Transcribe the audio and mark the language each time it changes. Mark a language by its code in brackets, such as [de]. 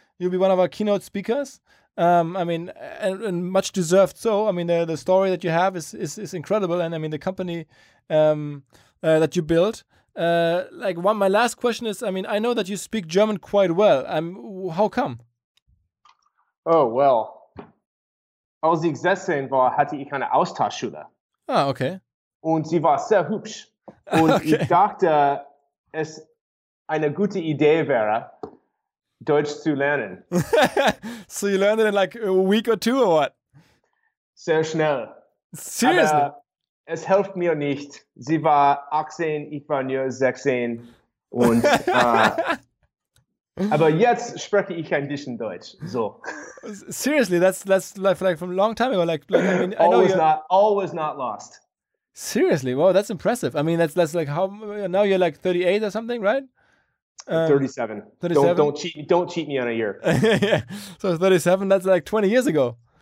[en] You'll be one of our keynote speakers. And much deserved so. I mean, the story that you have is incredible, and I mean the company that you built. My last question is, I mean, I know that you speak German quite well. How come? Oh, well, [de] Als sie gesessen war, hatte ich eine Austauschschule. [en] Ah, okay. [de] Und sie war sehr hübsch. Und okay. Ich dachte, es eine gute Idee wäre, Deutsch zu lernen. [en] So you learned it in like a week or two or what? [de] Sehr schnell. [en] Seriously? [de] Aber es hilft mir nicht. Sie war 18, ich war nur 16. Und aber jetzt spreche ich ein bisschen Deutsch. [en] So. Seriously, that's like from a long time ago. Like I mean, always not lost. Seriously, wow, that's impressive. I mean, that's like how now you're like 38 or something, right? 37. Don't cheat me on a year. Yeah. So 37, that's like 20 years ago.